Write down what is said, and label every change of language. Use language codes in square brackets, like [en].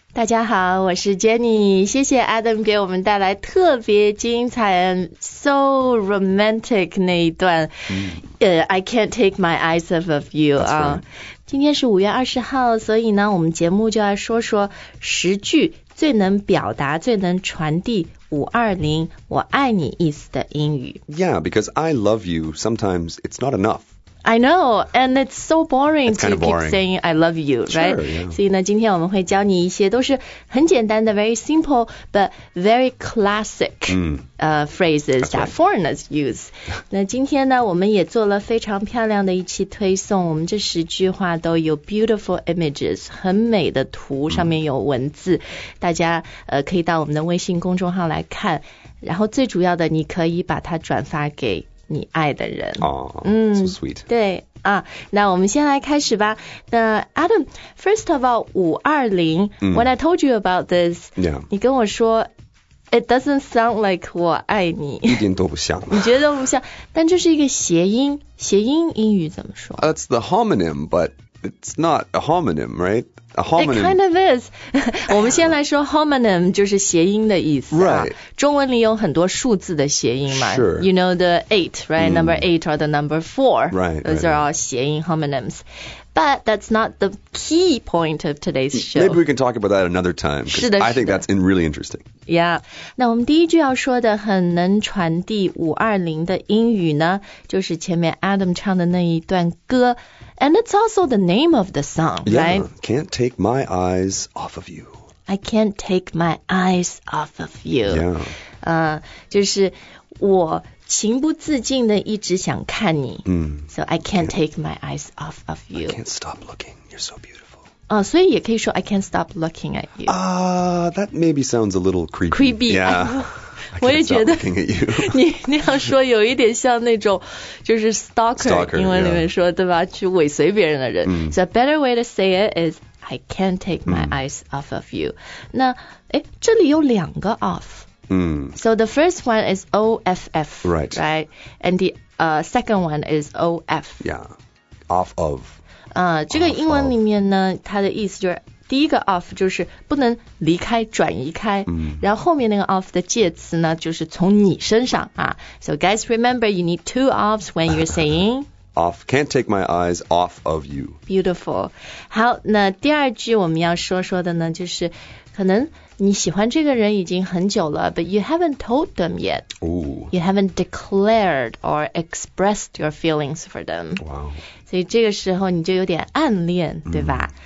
[zh] 大家好，我是 Jenny。谢谢 Adam 给我们带来特别精彩 [en] and so romantic [zh] 那一段。 [en] I can't take my eyes off of you. 啊， [zh] 今天是5月20号，所以呢，我们节目就要说说十句最能表达、最能传递520我爱你意思的英语。 [en] Yeah, because I love you. Sometimes it's not enough. I know, and it's so boring to keep saying I love you, right? Sure, yeah. [zh] 所以呢，今天我们会教你一些都是很简单的 [en] very simple, but very classic、phrases、 That's、 that、 right. foreigners use. [zh] 那今天呢，我们也做了非常漂亮的一期推送，我们这十句话都有 [en] beautiful images, [zh] 很美的图、上面有文字，大家、可以到我们的微信公众号来看，然后最主要的你可以把它转发给你爱的人。 [en] Oh, so sweet. [zh] 对啊，那我们先来开始吧。 [en] 那 Adam, first of all, 520, when I told you about this, yeah, [zh] 你跟我说 [en] it doesn't sound like [zh] 我爱你。一点都不像。你觉得都不像，但这是一个谐音，谐音英语怎么说？ [en] That's the homonym, but it's not a homonym, right? A homonym. It kind of is. [zh] 我们先来说 homonym 就是谐音的意思、啊。 [en] Right. [zh] 中文里有很多数字的谐音嘛。 [en] Sure. You know the 8, right?、Number 8 or the number 4. Right. Those right, are all 谐音 homonyms. But that's not the key point of today's show. Maybe we can talk about that another time. [zh] 是的，是的。 [en] I think that's really interesting. Yeah. [zh] 那我们第一句要说的很能传递520的英语呢，就是前面 Adam 唱的那一段歌。 [en] And it's also the name of the song, yeah, right? Yeah, can't take my eyes off of you. I can't take my eyes off of you. Yeah. [zh] 就是我情不自禁的一直想看你。 [en] So I can't take my eyes off of you. I can't stop looking. You're so beautiful. [zh] 所以也可以说 [en] I can't stop looking at you. That maybe sounds a little creepy. Creepy. Yeah. [zh] 我也觉得你要说有一点像那种就是 [en] stalker [zh] 英文里面说、 [en] yeah. [zh] 对吧，去尾随别人的人、 mm. [en] So a better way to say it is I can't take my eyes off of you. [zh] 那这里有两个 [en] off、So the first one is off, right? Right. And the、second one is of. Yeah, off of、 [zh] 这个英文里面呢，它的意思就是第一个 off 就是不能离开，转移开、然后后面那个 off 的介词呢，就是从你身上啊。 [en] So guys, remember you need two offs when you're saying off. Can't take my eyes off of you. Beautiful. [zh] 好，那第二句我们要说说的呢，就是可能你喜欢这个人已经很久了， [en] but you haven't told them yet. Ooh. You haven't declared or expressed your feelings for them. Wow. [zh] 所以这个时候你就有点暗恋，对吧？